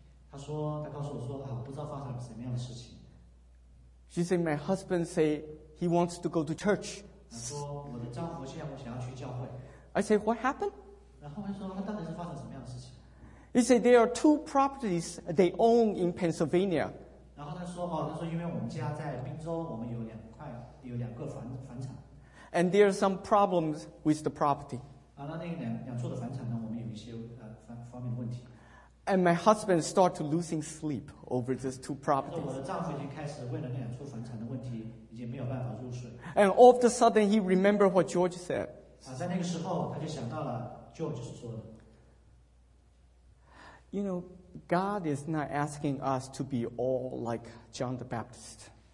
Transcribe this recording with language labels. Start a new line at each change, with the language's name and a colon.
Chinese: 她说，她告诉我说，啊，我不知道发生了什么样的事情。
English: She said, "My husband said he wants to go to church."
Chinese: 她说，我的丈夫现在我想要去教会。
English: I said, "What happened?"
Chinese: 然后她说，她到底是发生什么样的事情？
English: He said there are two properties they own in Pennsylvania.
Chinese: 然后他说，哦，他说因为我们家在宾州，我们有两块，有两个房产。
English: And there are some problems with the property.
Chinese: 啊，那两处的房产呢，我们有一些方面的问题。
English: And my husband started losing sleep over these two properties.
Chinese: 我的丈夫已经开始为了那两处房产的问题，已经没有办法入睡。
English: And all of a sudden, he remembered what George said.
Chinese: 啊，在那个时候，他就想到了 George 所说的。
English: You know, God is not asking us to be all like John the Baptist.